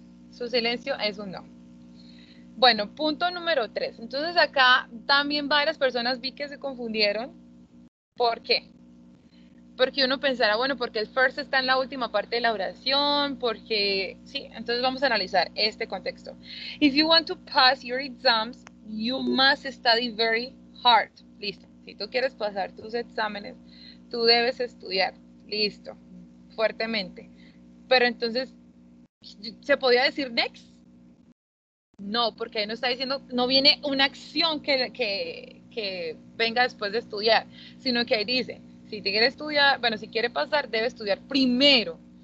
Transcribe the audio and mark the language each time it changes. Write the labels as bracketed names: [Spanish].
[Spanish] Su silencio es un no. Bueno, punto número 3. Entonces acá también varias personas vi que se confundieron. ¿Por qué? Porque uno pensará, bueno, porque el first está en la última parte de la oración, porque sí, entonces vamos a analizar este contexto. [English] If you want to pass your exams, you must study very hard. [Spanish] Listo. Si tú quieres pasar tus exámenes, tú debes estudiar. Listo. Fuertemente. Pero entonces, ¿se podía decir next? No, porque ahí no está diciendo, no viene una acción que venga después de estudiar, sino que ahí dice, si quiere estudiar, bueno, si quiere pasar, debe estudiar primero.